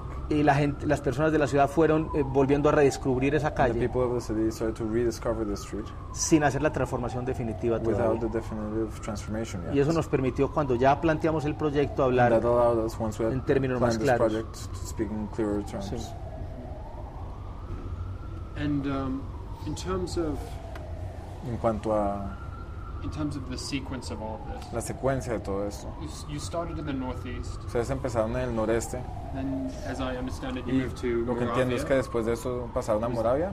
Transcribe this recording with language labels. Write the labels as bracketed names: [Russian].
[Spanish] Y la gente, las personas de la ciudad fueron volviendo a redescubrir esa calle. [English] The people of the city started to rediscover the street, [Spanish] sin hacer la transformación definitiva todavía. [English] Without the definitive transformation yet. [Spanish] Y eso nos permitió, cuando ya planteamos el proyecto, hablar [English] that allowed us, once we had [Spanish] en términos más claros. [English] This project, to speak in clearer terms. [Spanish] Sí. [English] And in terms of in terms of the sequence of all of this, [Spanish] la secuencia de todo esto, [English] you started in the northeast. [Spanish] Ustedes empezaron en el noreste. [English] Then, as I understand it, you moved to Moravia. [Spanish] Lo que entiendo es que después de eso pasaron a Moravia.